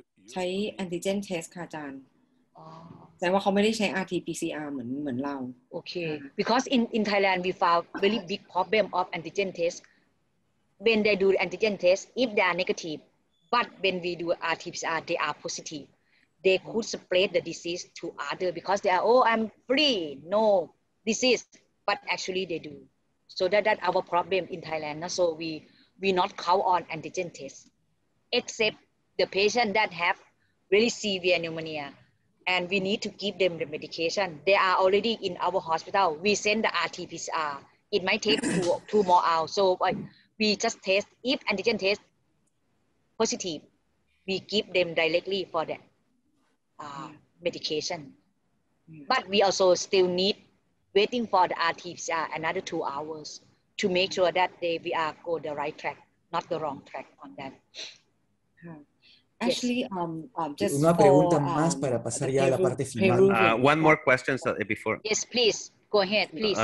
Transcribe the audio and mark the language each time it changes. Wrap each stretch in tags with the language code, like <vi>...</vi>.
<th>ใช้ antigen test ค่ะอาจารย์แสดงว่าเขาไม่ได้ใช้ RT-PCR เหมือนเรา</th> <en>Okay, because in Thailand we found very big problem of antigen test. When they do antigen test, if they are negative, but when we do RT-PCR, they are positive. They could spread the disease to other because they are, oh, I'm free, no disease, but actually they do. So that's our problem in Thailand. So we not count on antigen tests, except the patient that have really severe pneumonia and we need to give them the medication. They are already in our hospital. We send the RT-PCR. It might take two more hours. So we just test, if antigen test positive, we give them directly for that. Medication but we also still need waiting for the RT-PCR another 2 hours to make sure that they we are go the right track not the wrong track on that actually just</en> <es>una pregunta más para pasar ya a la parte final</es> <en>one more question so before yes please go ahead please</en>